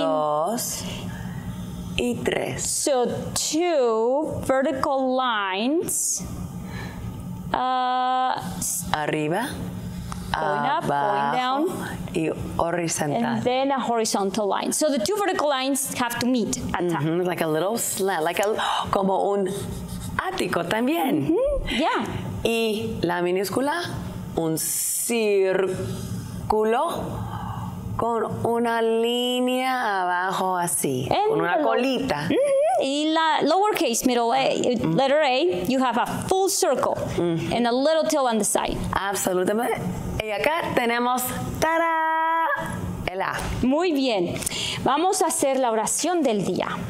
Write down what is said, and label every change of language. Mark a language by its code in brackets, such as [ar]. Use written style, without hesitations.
[es] Dos. Y tres. [en] So two vertical lines. [es] Arriba. [en] Going up, [es] abajo, [en] going down, [es] y horizontal. [en] And then a horizontal line. So the two vertical lines have to meet at top. Mm-hmm, like a little slant, like a, [es] como un ático también. [en] Mm-hmm, yeah. [es] Y la minúscula, un círculo con una línea abajo así, [en] and [es] con una colita. Mm-hmm. [en] Y la lowercase, middle A, letter A, you have a full circle and a little tail on the side. [es] Absolutamente. Y acá tenemos, ¡tada! El A. Muy bien. Vamos a hacer la oración del día.